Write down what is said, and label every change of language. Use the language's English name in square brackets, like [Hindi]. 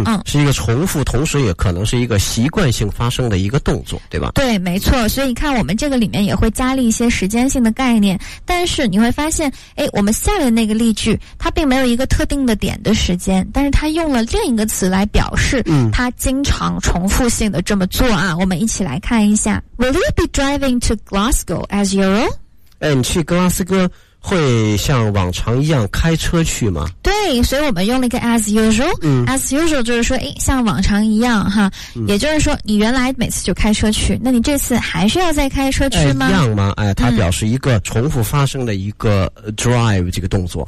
[Chinese] 是一个重复，同时也可能是一个习惯性发生的一个动作，对吧？对，没错。所以看我们这个里面也会加了一些时间性的概念，但是你会发现哎，我们下面那个例句它并没有一个特定的点的时间，但是它用了另一个词来表示它经常重复性的这么做啊。我们一起来看一下。 [English] Will you be driving to Glasgow as usual? [Chinese] 哎，你去格拉斯哥会像往常一样开车去吗？对，所以我们用了一个 as usual。 As usual 就是说哎，像往常一样哈，也就是说你原来每次就开车去，那你这次还是要再开车去吗？哎，一样吗？哎，它表示一个重复发生的一个 drive 这个动作。